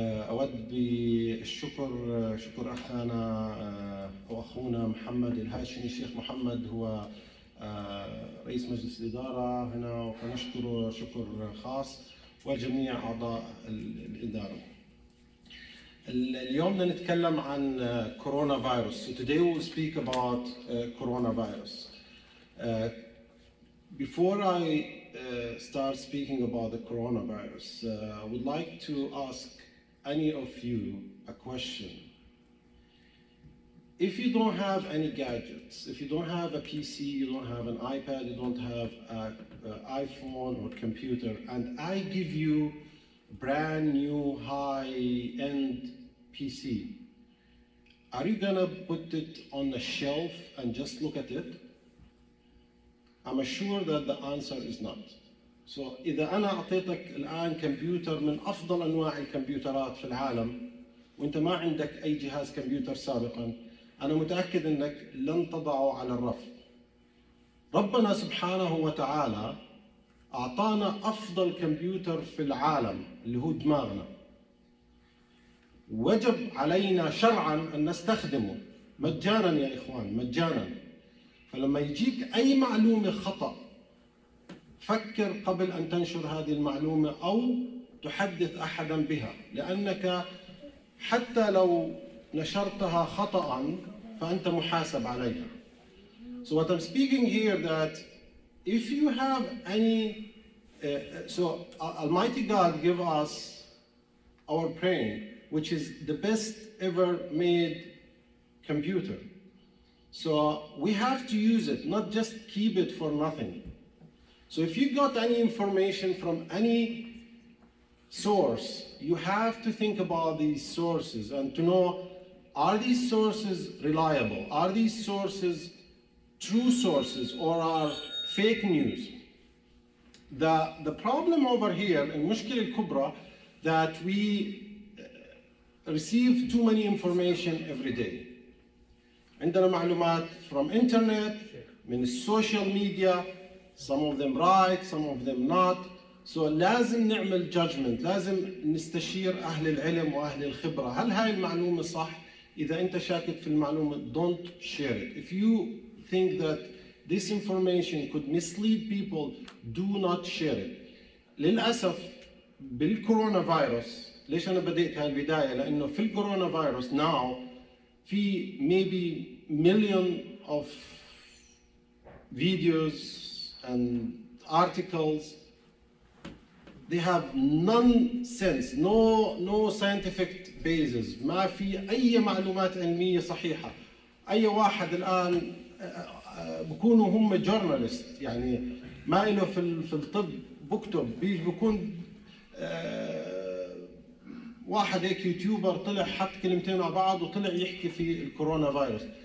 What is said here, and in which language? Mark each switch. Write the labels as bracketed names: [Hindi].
[Arabic] أود بالشكر شكر أخانا أو أخونا محمد الهاشمي. الشيخ محمد هو رئيس مجلس الإدارة هنا، ونشكره شكر خاص وجميع أعضاء الإدارة. اليوم نتكلم عن كورونا فيروس. [English] So today we'll speak about coronavirus. Before I start speaking about the coronavirus, I would like to ask any of you a question. If you don't have any gadgets, if you don't have a PC, you don't have an iPad, you don't have an iPhone or computer, and I give you brand new high-end PC, are you gonna put it on a shelf and just look at it? I'm sure that the answer is not. [Arabic] So, إذا أنا أعطيتك الآن كمبيوتر من أفضل أنواع الكمبيوترات في العالم وإنت ما عندك أي جهاز كمبيوتر سابقاً، أنا متأكد أنك لن تضعه على الرف. ربنا سبحانه وتعالى أعطانا أفضل كمبيوتر في العالم اللي هو دماغنا، وجب علينا شرعا أن نستخدمه مجانا يا إخوان، مجانا. فلما يجيك أي معلومة خطأ، فكر قبل أن تنشر هذه المعلومة أو تحدث أحدا بها، لأنك حتى لو نشرتها خطأ فأنت محاسب عليها. [English] So what I'm speaking here that if you have any, so Almighty God give us our brain, which is the best ever made computer. So we have to use it, not just keep it for nothing. So if you got any information from any source, you have to think about these sources and to know, are these sources reliable? Are these sources true sources or are fake news? The problem over here in [Arabic] Mushkil al-Kubra [English] that we receive too many information every day. [Arabic] عندنا معلومات [English] from internet, [Arabic] من [English] social media, some of them right, some of them not. [Arabic] So لازم نعمل judgment, لازم نستشير أهل العلم وأهل الخبرة. هل هاي المعلومة صح؟ إذا أنت شاكك في المعلومة [English] don't share it. If you think that this information could mislead people, do not share it. [Arabic] للأسف بالكورونا فيروس. ليش أنا بديت هالبداية؟ لأنه في الكورونا فيروس ناو في [English] maybe million of videos and articles. They have nonsense, no scientific basis. [Arabic] ما في أي معلومات علمية صحيحة. أي واحد الآن بكونوا هم جورناليست يعني ما إله في الطب بكتب بيجي بكون واحد هيك يوتيوبر طلع حط كلمتين على بعض وطلع يحكي في الكورونا فيروس.